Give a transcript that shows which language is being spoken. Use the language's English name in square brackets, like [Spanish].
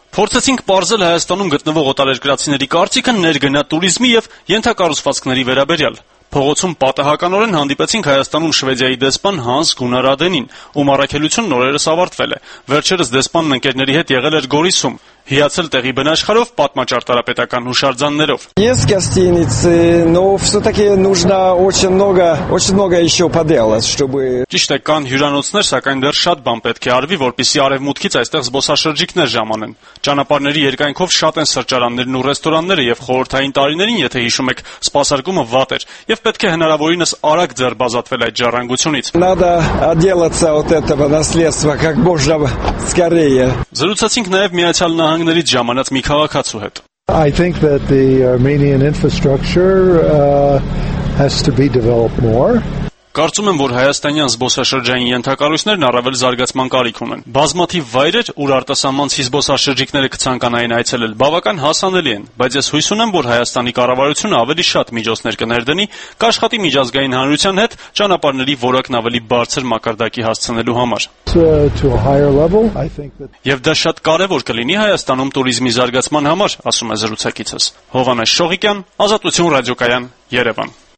[Armenian] Փորձեցինք պարզել Հայաստանում գտնվող օտարերկրացիների կարծիքը ներգնա տուրիզմի եւ ենթակառուցվածքների վերաբերյալ։ Փողոցում պատահականորեն հանդիպեցինք Հայաստանում Շվեդիայի դեսպան Հանս Գունար Ադենին, ու մարակելությունն օրերս ավարտվել է։ Վերջերս դեսպանն ընկերների հետ եղել էր Գորիսում։ հիացել տեղի բնաշխարով պատմաճարտարապետական հուշարձաններով։ Ես կստինից, [Russian] но всё-таки нужно очень много ещё поделать, чтобы [Armenian] Ճիշտ է, կան հյուրանոցներ, սակայն դեռ շատ բան պետք է արվի, որպեսզի արևմուտքից այստեղ զբոսաշրջիկներ ժամանեն։ Ճանապարհների երկայնքով շատ են սրճարաններն ու ռեստորանները եւ խորհրդային տարիներին, եթե հիշում եք, սպասարկումը վատ էր եւ պետք է հնարավորինս արագ ձեռք բազատվել այդ ժառանգությունից։ [Russian] Надо отделаться от этого наследства как можно скорее. [Armenian] Զրուցացինք նաև Միացյալ Նահանգներից ժամանած մի քաղաքացու հետ։ [English] I think that the Armenian infrastructure has to be developed more. [Armenian] Կարծում եմ, որ հայաստանյան զբոսաշրջային ենթակառույցներն առավել զարգացման կարիք ունեն։ Բազմաթիվ վայրեր, ուր արտասահմանց զբոսաշրջիկները կցանկանային այցելել, բավական հասանելի են, բայց ես հույս ունեմ, որ Հայաստանի կառավարությունը ավելի շատ միջոցներ կներդնի, կաշխատի միջազգային հանրության հետ ճանապարհների որակն ավելի բարձր մակարդակի հասցնելու համար։ Եվ դա շատ կարևոր կլինի Հայաստանում ቱրիզմի զարգացման համար, ասում է զրուցակիցս։ Հովանես Շողիկյան, Ազատություն ռադիոկայան, Երևան։